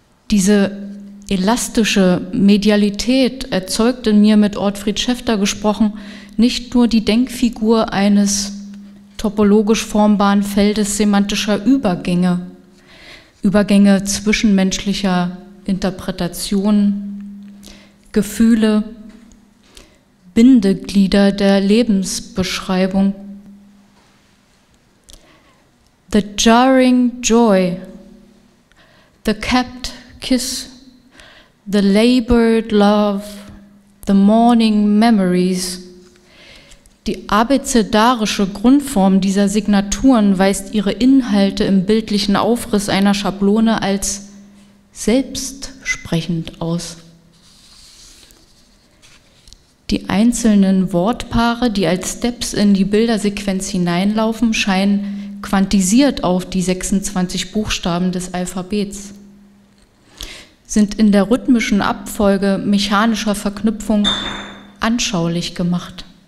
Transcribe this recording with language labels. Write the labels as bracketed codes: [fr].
[de] Diese elastische Medialität erzeugt in mir, mit Ortfried Schäfter gesprochen, nicht nur die Denkfigur eines topologisch formbaren Feldes semantischer Übergänge, Übergänge zwischenmenschlicher Interpretationen, Gefühle, Bindeglieder der Lebensbeschreibung. [en] The jarring joy, the kept kiss, the labored love, the mourning memories. [de] Die abecedarische Grundform dieser Signaturen weist ihre Inhalte im bildlichen Aufriss einer Schablone als selbstsprechend aus. Die einzelnen Wortpaare, die als Steps in die Bildersequenz hineinlaufen, scheinen quantisiert auf die 26 Buchstaben des Alphabets, sind in der rhythmischen Abfolge mechanischer Verknüpfung anschaulich gemacht.